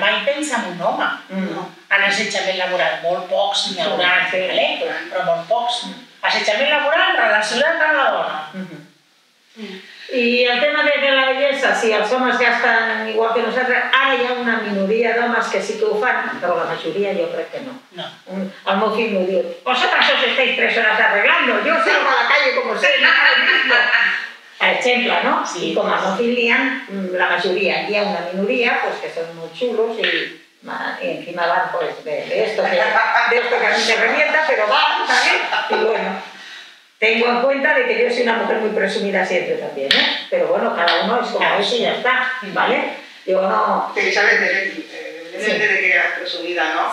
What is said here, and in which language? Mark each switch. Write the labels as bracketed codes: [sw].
[ca] Mai pensa en un home, en assetjament laboral, molt pocs, sí. Laborals, sí. ¿Vale? Però molt pocs. Mm. Assetjament laboral relacionat amb la dona. I el tema de la bellesa, si els homes ja estan igual que nosaltres, ara hi ha una minoria d'homes que sí que ho fan, però la majoria jo crec que no. No. El meu fill m'ho diu, [es] vosotras os estáis 3 hores arreglando, yo salgo a la calle como sé, nada de esto. [ca] Exemple, no? Sí. I com a meu fill hi ha la majoria, hi ha una minoria pues, que són molt xulos i... [es] Y encima van pues de esto que a mí me revienta, pero va, ¿sabes? Y bueno, tengo en cuenta de que yo soy una mujer muy presumida siempre también, ¿eh? Pero bueno, cada uno es como eso y ya está, ¿vale? Yo no... Sí, sabes, depende de que eres presumida, ¿no?